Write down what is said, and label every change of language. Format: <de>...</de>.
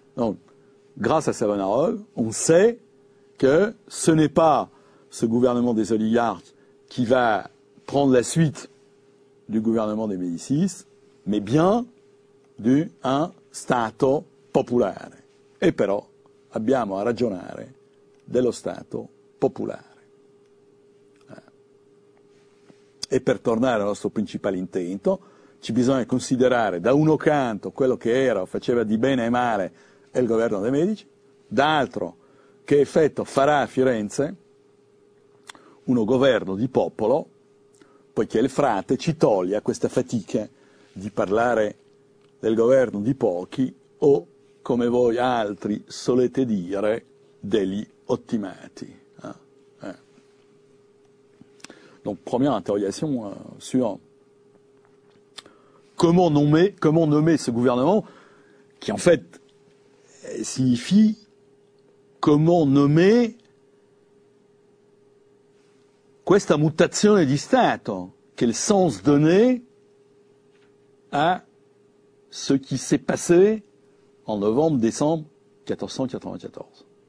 <fr>Donc, grâce à Savonarole, on sait que ce n'est pas ce gouvernement des oligarques qui va prendre la suite du gouvernement des Médicis, mais bien du un Stato Popolare.</fr> <it>E però abbiamo a ragionare dello Stato Popolare. E per tornare al nostro principale intento, ci bisogna considerare da uno canto quello che era o faceva di bene e male il governo dei Medici, d'altro che effetto farà a Firenze uno governo di popolo, poiché il frate ci toglie a queste fatiche di parlare del governo di pochi o, come voi altri solete dire, degli ottimati.</it> <fr>Donc, première interrogation sur comment nommer ce gouvernement qui, en fait, signifie comment nommer</fr> <it>questa mutazione di Stato,</it> <fr>quel sens donné à ce qui s'est passé en novembre-décembre 1494.</fr>